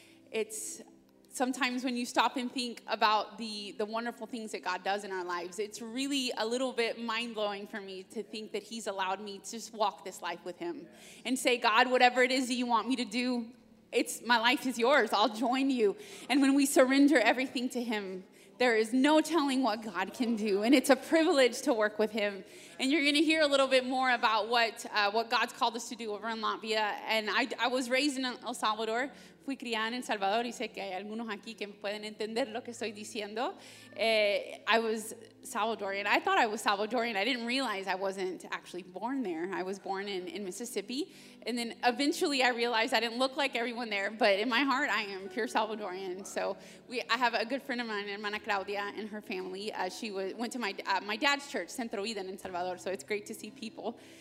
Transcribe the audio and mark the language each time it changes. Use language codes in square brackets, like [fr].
[en] It's sometimes when you stop and think about the wonderful things that God does in our lives, it's really a little bit mind-blowing for me to think that he's allowed me to just walk this life with him and say, God, whatever it is that you want me to do, it's my life is yours. I'll join you. And when we surrender everything to him, there is no telling what God can do. And it's a privilege to work with him. And you're going to hear a little bit more about what God's called us to do over in Latvia. And I was raised in El Salvador. [es] Fui criada en El Salvador y sé que hay algunos aquí que pueden entender lo que estoy diciendo. [en] I was Salvadorian. I thought I was Salvadorian. I didn't realize I wasn't actually born there. I was born in Mississippi. And then eventually I realized I didn't look like everyone there, but in my heart I am pure Salvadorian. So I have a good friend of mine, Hermana Claudia, and her family. She went to my dad's church, Centro Eden, in Salvador, so it's great to see people.